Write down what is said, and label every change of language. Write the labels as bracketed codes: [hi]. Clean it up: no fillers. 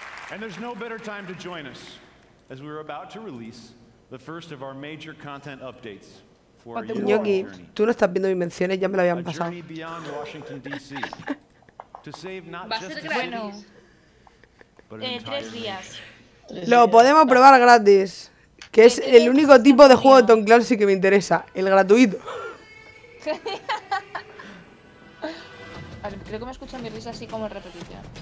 [en] And there's no better time to join us as we're about to release the first of our major content updates for your journey. [es] Ñoqui, tú no estás viendo mis menciones, ya me la habían pasado. [en] A journey beyond Washington D.C. to save not just the city, but an entire nation. [es] Lo podemos probar gratis, que es el único tipo de juego de Tom Clancy que me interesa, el gratuito. Creo que me escucha mi risa así como en repetición.